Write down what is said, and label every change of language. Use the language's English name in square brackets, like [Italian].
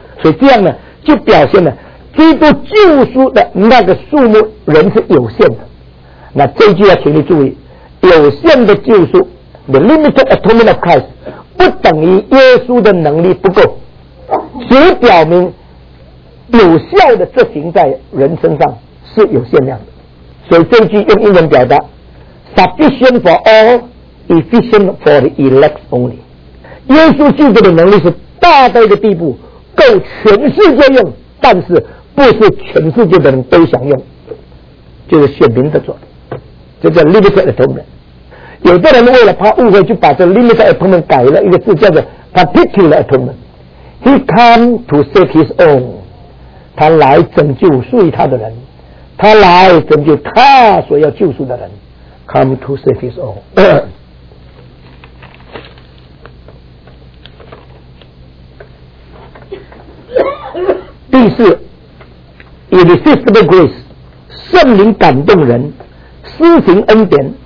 [Chinese] 所以这样呢，就表现了基督救赎的那个数目人是有限的。那这句要请你注意，有限的救赎 [English] The limited atonement of Christ [Chinese] 不等于耶稣的能力不够，只表明有效的执行在人身上是有限量的。所以这句用英文表达 [English] Sufficient for allEfficient for the elect only。 [Chinese] 耶稣基督的能力是大到一个地步够全世界用，但是不是全世界的人都想用，就是选民的做的，这叫 limited atonement。有的人为了怕误会就把这 limited atonement 改了一个字叫做 particular atonement。 [English] He come to save his own， [Chinese] 他来拯救属于他的人，他来拯救他所要救赎的人。 [English] Come to save his own。 [Chinese] 第四， Irresistible grace， 圣灵感动人施行恩典。